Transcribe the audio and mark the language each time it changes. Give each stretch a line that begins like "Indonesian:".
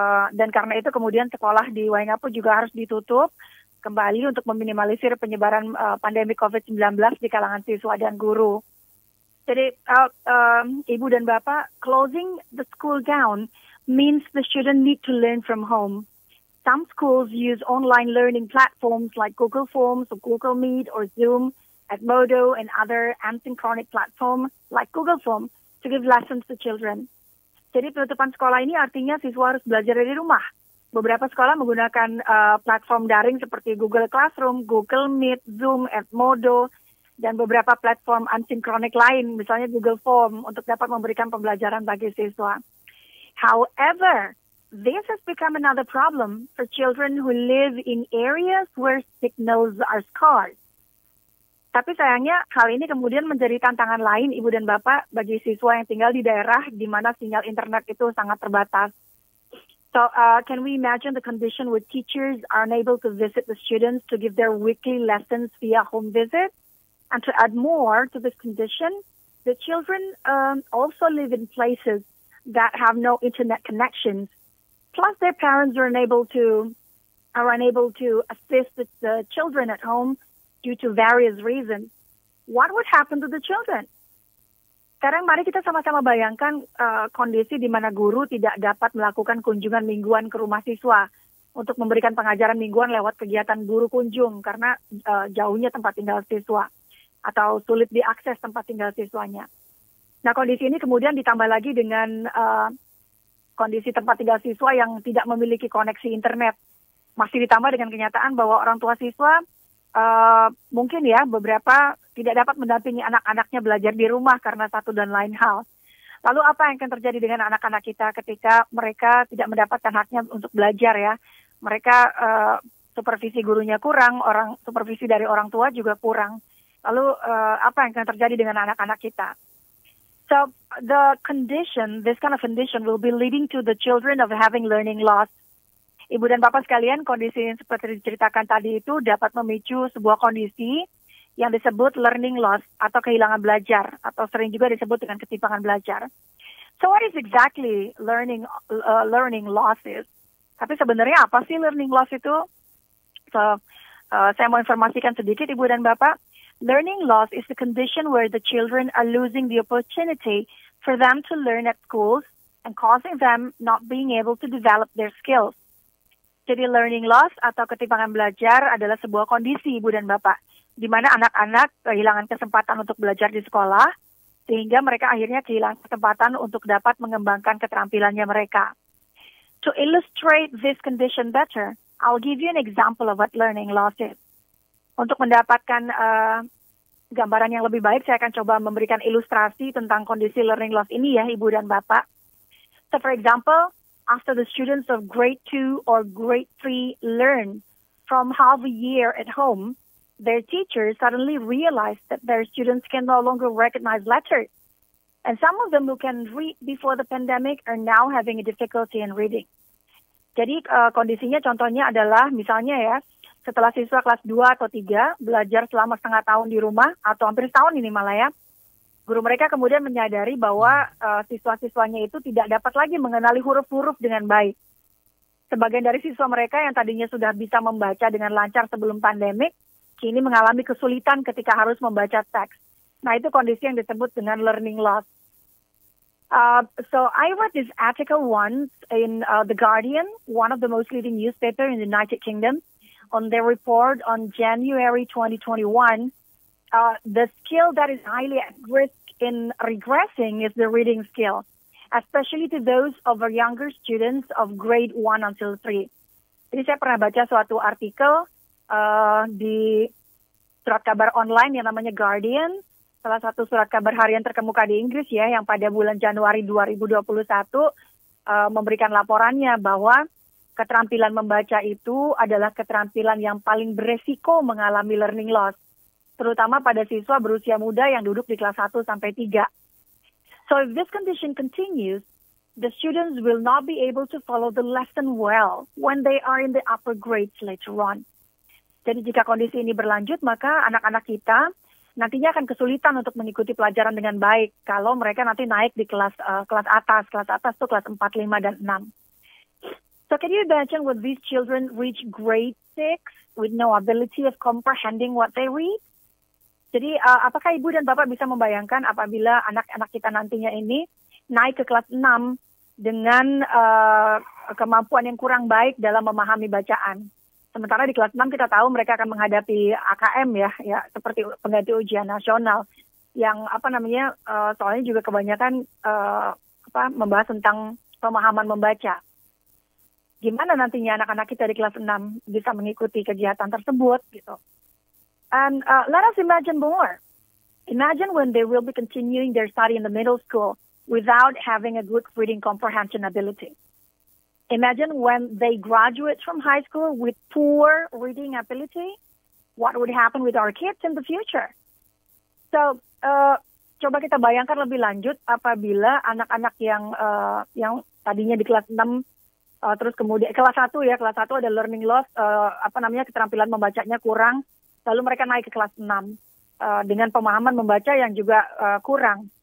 Indonesian: Dan karena itu kemudian sekolah di Wainapu juga harus ditutup kembali untuk meminimalisir penyebaran pandemi COVID-19 di kalangan siswa dan guru. Jadi ibu dan bapak,
English: closing the school down means the student need to learn from home. Some schools use online learning platforms like Google Forms or Google Meet or Zoom, Edmodo and other asynchronous platform like Google Form to give lessons to children.
Indonesian: Jadi penutupan sekolah ini artinya siswa harus belajar dari rumah. Beberapa sekolah menggunakan platform daring seperti Google Classroom, Google Meet, Zoom, Edmodo, dan beberapa platform asynchronous lain, misalnya Google Form, untuk dapat memberikan pembelajaran bagi siswa.
English: However, this has become another problem for children who live in areas where signals are scarce.
Indonesian: Tapi sayangnya, hal ini kemudian menjadi tantangan lain, ibu dan bapak, bagi siswa yang tinggal di daerah di mana sinyal internet itu sangat terbatas.
English: So, can we imagine the condition where teachers are unable to visit the students to give their weekly lessons via home visit? And to add more to this condition, the children also live in places that have no internet connections. Plus, their parents are unable to assist the children at home due to various reasons. What would happen to the children?
Indonesian: Sekarang mari kita sama-sama bayangkan kondisi di mana guru tidak dapat melakukan kunjungan mingguan ke rumah siswa untuk memberikan pengajaran mingguan lewat kegiatan guru kunjung karena jauhnya tempat tinggal siswa atau sulit diakses tempat tinggal siswanya. Nah, kondisi ini kemudian ditambah lagi dengan kondisi tempat tinggal siswa yang tidak memiliki koneksi internet. Masih ditambah dengan kenyataan bahwa orang tua siswa mungkin ya beberapa tidak dapat mendampingi anak-anaknya belajar di rumah karena satu dan lain hal. Lalu apa yang akan terjadi dengan anak-anak kita ketika mereka tidak mendapatkan haknya untuk belajar ya? Mereka supervisi gurunya kurang, orang supervisi dari orang tua juga kurang. Lalu apa yang akan terjadi dengan anak-anak kita?
English: So the condition, this kind of condition will be leading to the children of having learning loss.
Indonesian: Ibu dan bapak sekalian, kondisi yang seperti diceritakan tadi itu dapat memicu sebuah kondisi yang disebut learning loss atau kehilangan belajar atau sering juga disebut dengan ketimpangan belajar.
English: So what is exactly learning losses?
Indonesian: Tapi sebenarnya apa sih learning loss itu? So saya mau informasikan sedikit ibu dan bapak.
English: Learning loss is the condition where the children are losing the opportunity for them to learn at schools and causing them not being able to develop their skills.
Indonesian: Jadi learning loss atau ketimpangan belajar adalah sebuah kondisi, ibu dan bapak, di mana anak-anak kehilangan kesempatan untuk belajar di sekolah, sehingga mereka akhirnya kehilangan kesempatan untuk dapat mengembangkan keterampilannya mereka.
English: To illustrate this condition better, I'll give you an example of what learning loss is.
Indonesian: Untuk mendapatkan gambaran yang lebih baik, saya akan coba memberikan ilustrasi tentang kondisi learning loss ini ya, ibu dan bapak.
English: So, for example, after the students of grade 2 or grade 3 learn from half a year at home, their teachers suddenly realized that their students can no longer recognize letters. And some of them who can read before the pandemic are now having a difficulty in reading.
Indonesian: Jadi kondisinya contohnya adalah misalnya ya, setelah siswa kelas 2 atau 3 belajar selama setengah tahun di rumah atau hampir setahun ini malah ya, guru mereka kemudian menyadari bahwa siswa-siswanya itu tidak dapat lagi mengenali huruf-huruf dengan baik. Sebagian dari siswa mereka yang tadinya sudah bisa membaca dengan lancar sebelum pandemik, kini mengalami kesulitan ketika harus membaca teks. Nah, itu kondisi yang disebut dengan learning loss.
English: So I read this article once in The Guardian, one of the most leading newspapers in the United Kingdom, on their report on January 2021. The skill that is highly at risk in regressing is the reading skill, especially to those of our younger students of grade 1 until 3.
Indonesian: Jadi saya pernah baca suatu artikel di surat kabar online yang namanya Guardian, salah satu surat kabar harian terkemuka di Inggris ya, yang pada bulan Januari 2021 memberikan laporannya bahwa keterampilan membaca itu adalah keterampilan yang paling beresiko mengalami learning loss, terutama pada siswa berusia muda yang duduk di kelas 1 sampai 3.
English: So if this condition continues, the students will not be able to follow the lesson well when they are in the upper grades later on.
Indonesian: Jadi jika kondisi ini berlanjut, maka anak-anak kita nantinya akan kesulitan untuk mengikuti pelajaran dengan baik kalau mereka nanti naik di kelas atas itu kelas 4, 5, dan 6.
English: So can you imagine when these children reach grade 6 with no ability of comprehending what they read?
Indonesian: Jadi apakah ibu dan bapak bisa membayangkan apabila anak-anak kita nantinya ini naik ke kelas 6 dengan kemampuan yang kurang baik dalam memahami bacaan? Sementara di kelas 6 kita tahu mereka akan menghadapi AKM ya seperti pengganti ujian nasional yang soalnya juga kebanyakan membahas tentang pemahaman membaca. Gimana nantinya anak-anak kita di kelas 6 bisa mengikuti kegiatan tersebut gitu?
English: And let us imagine more. Imagine when they will be continuing their study in the middle school without having a good reading comprehension ability. Imagine when they graduate from high school with poor reading ability, what would happen with our kids in the future?
Indonesian: So, coba kita bayangkan lebih lanjut apabila anak-anak yang tadinya di kelas 6 terus kemudian kelas 1 ada learning loss keterampilan membacanya kurang, lalu mereka naik ke kelas 6 dengan pemahaman membaca yang juga kurang.